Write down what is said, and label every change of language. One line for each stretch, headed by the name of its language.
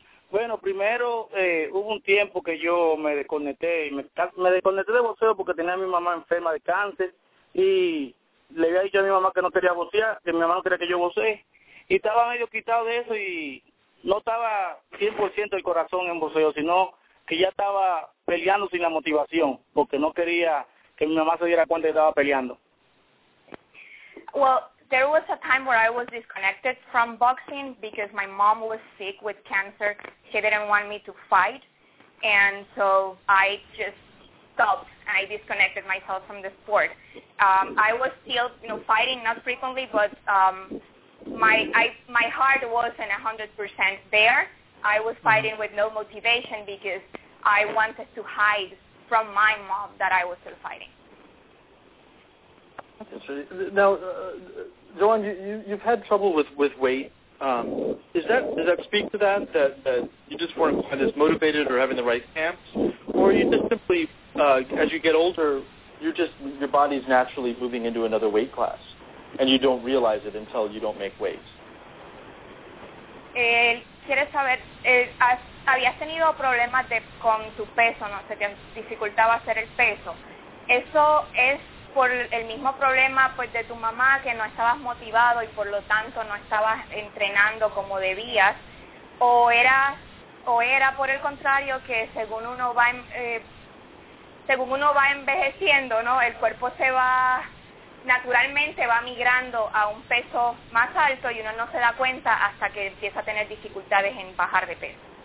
Spanish: Bueno, primero hubo un tiempo que yo me desconecté, y me desconecté de boxeo porque tenía a mi mamá enferma de cáncer y le había dicho a mi mamá que no quería boxear, que mi mamá no quería que yo boxee, y estaba medio quitado de eso y no estaba 100% el corazón en boxeo, sino que ya estaba peleando sin la motivación, porque no quería que mi mamá se diera cuenta que estaba peleando.
English: Well, there was a time where I was disconnected from boxing because my mom was sick with cancer. She didn't want me to fight, and so I just stopped and I disconnected myself from the sport. I was still, you know, fighting, not frequently, but my heart wasn't 100% there. I was fighting with no motivation because I wanted to hide from my mom that I was still fighting. Now, Joan, you've had trouble with weight. Does that speak to that you just weren't quite as motivated or having the right camps, or you just simply, as you get older, your body's naturally moving into another weight class, and you don't realize it until you don't make weight?
Spanish: ¿Quieres saber, habías tenido problemas con tu peso, no? ¿Se te dificultaba hacer el peso? ¿Eso es por el mismo problema pues de tu mamá, que no estabas motivado y por lo tanto no estabas entrenando como debías, o era por el contrario, que según uno va envejeciendo, ¿no?, el cuerpo se va naturalmente va migrando a un peso más alto y uno no se da cuenta hasta que empieza a tener dificultades en bajar de peso?